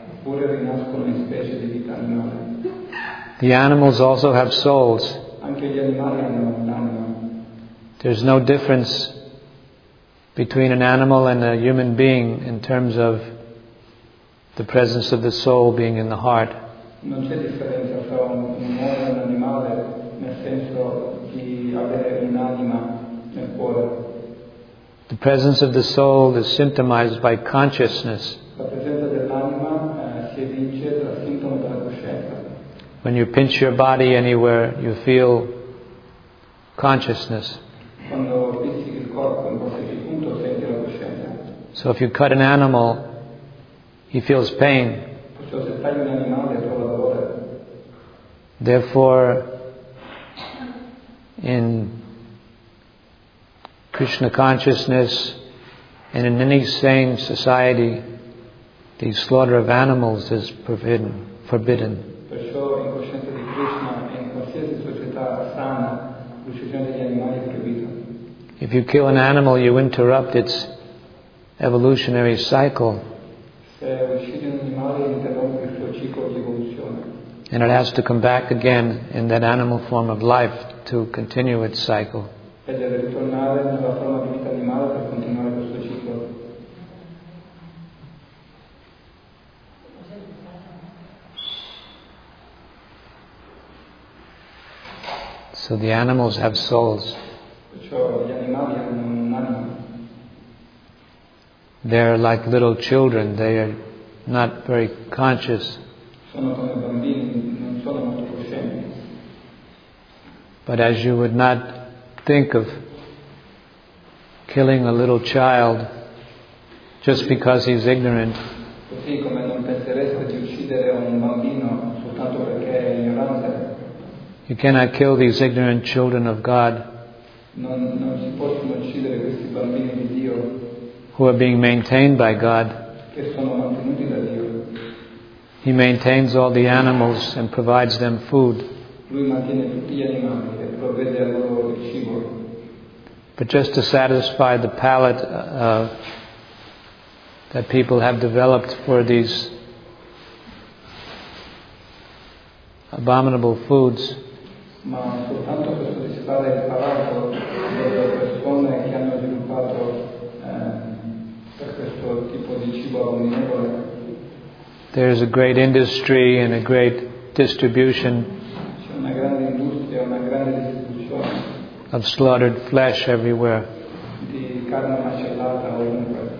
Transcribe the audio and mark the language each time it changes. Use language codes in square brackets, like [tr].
[it] Oppure rinascono in specie di vita animale. [en] The animals also have souls. [it] Anche gli animali hanno un'anima. [en] There's no difference between an animal and a human being in terms of the presence of the soul being in the heart. [it] Non c'è differenza tra un uomo e un animale nel senso di avere un'anima nel cuore. [en] The presence of the soul is symptomized by consciousness. [it] La presenza dell'anima si evince dal sintomo della coscienza. [en] When you pinch your body anywhere, you feel consciousness. [it] Quando pizzichi il corpo in qualsiasi punto senti la coscienza. [en] So if you cut an animal, he feels pain. [it] Perciò se tagli un animale prova dolore. [en] Therefore, in Krishna consciousness and in any sane society, the slaughter of animals is forbidden. [it] Perciò in coscienza di Krishna e in qualsiasi società sana, l'uccisione degli animali è proibita. [en] If you kill an animal, you interrupt its evolutionary cycle. [it] Se uccidi un animale, interrompi il suo ciclo di evoluzione. [en] And it has to come back again in that animal form of life to continue its cycle. [it] E deve ritornare nella forma di vita animale per continuare questo ciclo. [en] So the animals have souls. [it] Perciò gli animali hanno un'anima. [en] They're like little children, they are not very conscious. [it] Sono come bambini, non sono molto coscienti. [en] But as you would not think of killing a little child just because he's ignorant. [it] Così come non penseresti di uccidere un bambino soltanto perché è ignorante. [en] You cannot kill these ignorant children of God. [it] Non si possono uccidere questi bambini di Dio. [en] Who are being maintained by God. [it] Che sono mantenuti da Dio. [en] He maintains all the animals and provides them food. [it] Lui mantiene tutti gli animali e provvede a loro il cibo. [en] But just to satisfy the palate that people have developed for these abominable foods. [it] Ma soltanto per soddisfare il palato delle persone che hanno sviluppato per questo tipo di cibo abominevole. [en] There is a great industry and a great distribution. [it] C'è una grande industria, una grande distribuzione. [en] Of slaughtered flesh everywhere. [it] Di carne macellata ovunque.